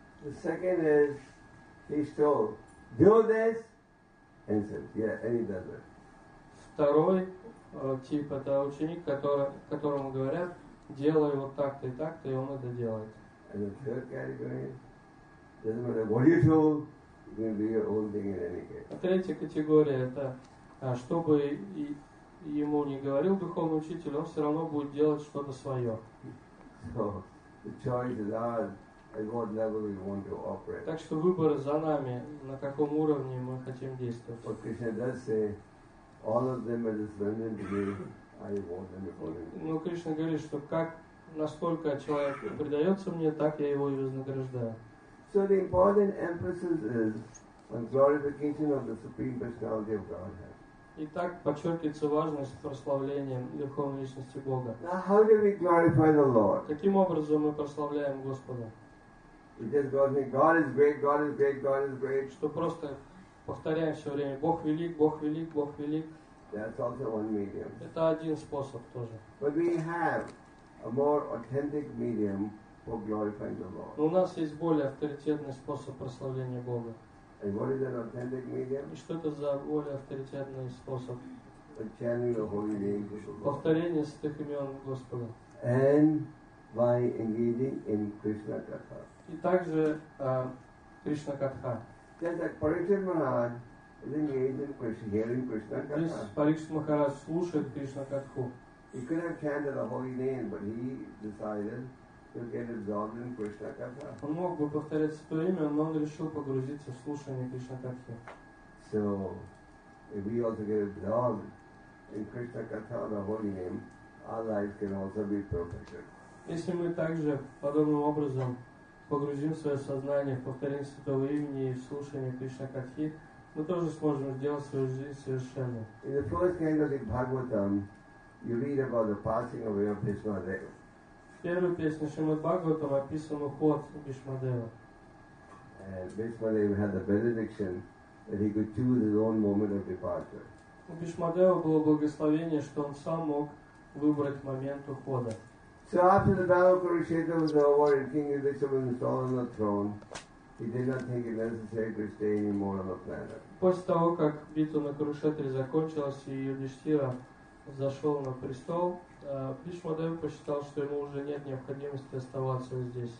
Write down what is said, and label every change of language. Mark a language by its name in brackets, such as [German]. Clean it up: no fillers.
[English] The second is he's told, do this, and says, yeah, and he does it. [Russian] Второй тип это ученик, которому говорят, делай вот так-то и так-то, и он это делает. [English] And the third category doesn't matter what you told, you're going to do your own thing in any case. [Russian] А третья категория это, чтобы ему не говорил духовный учитель, он все равно будет делать что-то свое. [English] So the choice is ours at what level we want to operate. [Russian] Так что выбор за нами, на каком уровне мы хотим действовать. [English] But Krishna does say, all of them are just learning to be, I want them to follow me. [Russian] Но Кришна говорит, что как насколько человек предается мне, так я его и вознаграждаю. [English] So the important emphasis is on glorification of the Supreme Personality of Godhead. [Russian] Итак, подчеркивается важность прославления Верховной Личности Бога. [English] Now how do we glorify the Lord? [Russian] Каким образом мы прославляем Господа? [English] We just go, God is great, God is great, God is great. [Russian] Что просто повторяем все время, Бог велик, Бог велик, Бог велик. [English] That's also one medium. [Russian] Это один способ тоже. [English] But we have a more authentic medium for glorifying the Lord. [Russian] У нас есть более авторитетный способ прославления Бога. [English] And what is that authentic medium? [Russian] И что это за более авторитетный способ? [English] Chanting the holy names of the Lord. [Russian] Повторение святых имен Господа. [English] And by engaging in Krishna Katha. [Russian] И также Krishna Katha. [English] Just like Parikshit Maharaj is engaged in Krishna, hearing Krishna Katha. [Russian] Здесь Парикшит Махарадж слушает Кришна Катху. [English] He could have chanted a holy name, but he decided to get absorbed in Krishna Katha. [Russian] Он мог бы повторять свое имя, но он решил погрузиться в слушание Кришна Катхи. [English] So, if we also get absorbed in Krishna Katha, the holy name, our life can also be perfected. [Russian] Если мы также подобным образом погрузим свое сознание в повторение святого имени и в слушание Кришна Катхи, мы тоже сможем сделать свою жизнь совершенной. [English] In the first canto of Bhagavatam, you read about the passing away of Bhishma Deva. [Russian] В первой песне Шримад Бхагаватам описан уход Бхишма Дева. [English] Bhishmadeva had the benediction that he could choose his own moment of departure. [Russian] У Бхишмадева было благословение, что он сам мог выбрать момент ухода. [English] So after the battle of Kurukshetra was over and King Yudhishthira was installed on the throne, he did not think it necessary to stay anymore on the planet. [Russian] После того, как битва на Курукшетре закончилась и Юдиштхира зашел на престол, Бхишмадев посчитал, что ему уже нет необходимости оставаться здесь.